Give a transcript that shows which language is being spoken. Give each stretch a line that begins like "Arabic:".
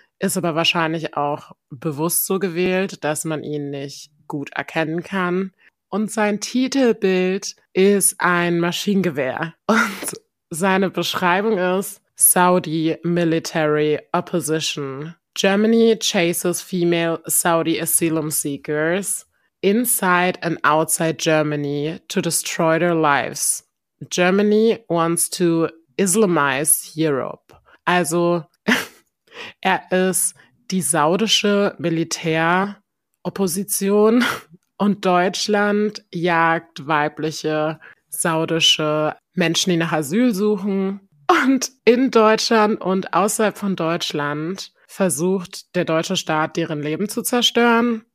German: Ist aber wahrscheinlich auch bewusst so gewählt, dass man ihn nicht gut erkennen kann. Und sein Titelbild ist ein Maschinengewehr. Und seine Beschreibung ist Saudi Military Opposition.
English: Germany chases female Saudi asylum seekers inside and outside Germany to destroy their lives. Germany wants to Islamize Europe.
German: Also, er ist die saudische Militäropposition und Deutschland jagt weibliche saudische Menschen, die nach Asyl suchen. Und in Deutschland und außerhalb von Deutschland versucht der deutsche Staat, deren Leben zu zerstören.